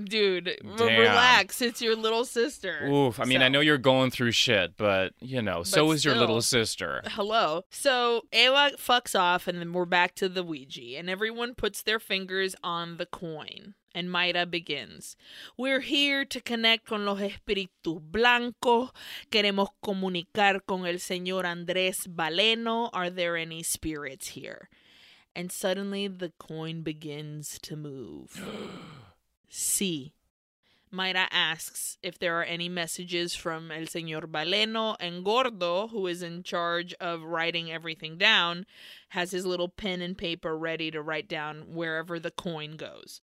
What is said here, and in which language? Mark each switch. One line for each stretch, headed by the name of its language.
English: Dude, relax. It's your little sister. Oof. I mean, I know you're going through shit, but, you know, so is your little sister. Hello. So Ewa fucks off and then we're back to the Ouija and everyone puts their fingers on the coin and Mayra begins. We're here to connect
Spanish: con los espíritus blancos. Queremos comunicar con el señor Andrés Baleno.
English: Are there any spirits here? And suddenly the coin begins to move.
Spanish: Sí.
English: Mayra asks if there are any messages from El Señor Baleno, and Gordo, who is in charge of writing everything down, has his little pen and paper ready to write down wherever the coin goes.